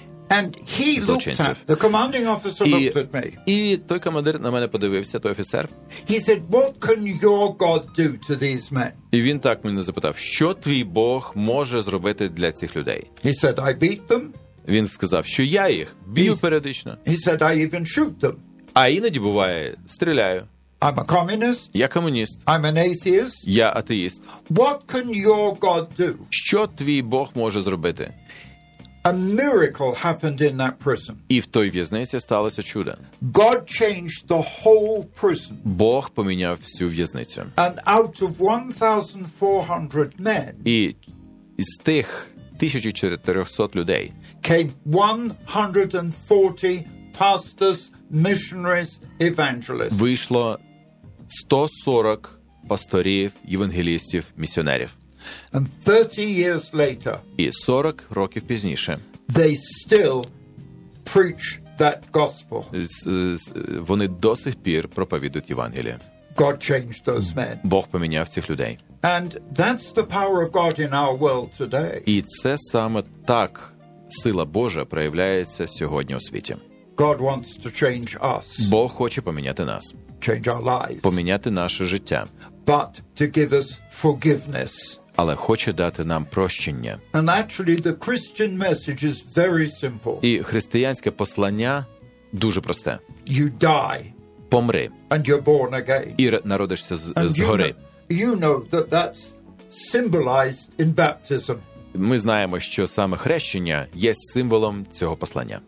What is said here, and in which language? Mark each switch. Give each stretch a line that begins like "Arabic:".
English: And he looked at, the commanding officer looked at me.
Ukrainian: І той командир на мене подивився, той офіцер.
English: He said, what can your God do to these men?
Ukrainian: І він так мене запитав, що твій Бог може зробити для цих людей?
English: He said, I beat them.
Ukrainian: Він сказав, що я їх бив періодично.
English: He said, I even shoot them.
Ukrainian: А іноді буває, стріляю.
English: I'm a communist.
Ukrainian: Я комуніст.
English: I'm an atheist.
Ukrainian: Я атеїст.
English: What can your God do?
Ukrainian: Що твій Бог може зробити?
English: A miracle happened in that prison.
Ukrainian: І в той в'язниці сталося чудо.
English: God changed the whole prison.
Ukrainian: Бог поміняв всю в'язницю.
English: And out of 1400 men.
Ukrainian: І із тих 1400 людей
English: came 140 pastors, missionaries, evangelists.
Ukrainian: Вийшло 140 пасторів, євангелістів, місіонерів.
English: And 30 years later.
Ukrainian: І 40 років пізніше.
English: They still preach that gospel.
Ukrainian: Вони до сих пір проповідують Євангеліє.
English: God changed those men.
Ukrainian: Бог поміняв цих людей.
English: And that's the power of God in our world today.
Ukrainian: І це саме так сила Божа проявляється сьогодні у світі.
English: God wants to change us.
Ukrainian: Бог хоче поміняти нас.
English: Change our lives.
Ukrainian: Поміняти наше життя.
English: But to give us forgiveness.
Ukrainian: Але хоче дати нам прощення.
English: And actually the Christian message is very simple.
Ukrainian: І християнське послання дуже просте.
English: You die.
Ukrainian: Помри.
English: And you're born again.
Ukrainian: І народишся згори.
English: You know that that's symbolized in baptism.
Ukrainian: Ми знаємо, що саме хрещення є символом цього послання.